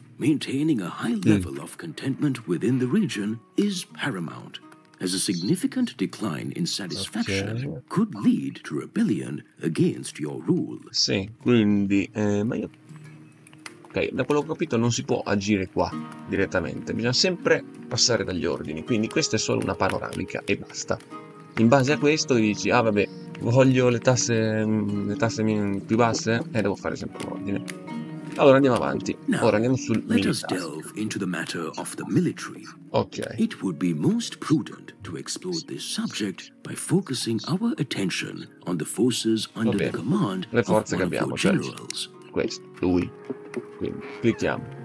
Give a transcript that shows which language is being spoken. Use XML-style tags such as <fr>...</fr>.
<en>Maintaining a high level of contentment within the region is paramount, as a significant decline in satisfaction could lead to rebellion against your rule.</en> <it>Sì, quindi ok, da quello che ho capito non si può agire qua direttamente. Bisogna sempre passare dagli ordini. Quindi questa è solo una panoramica e basta. In base a questo dici, ah vabbè, voglio le tasse più basse e devo fare sempre un ordine. Allora andiamo avanti. Ora andiamo sul</it> <en>military. Let us delve into the matter of the military. Ok. It would be most prudent to explore this subject by focusing our attention on the forces under the command</en> <it>le forze che abbiamo, generals. Cioè, questo, lui. Quindi, clicchiamo.</it>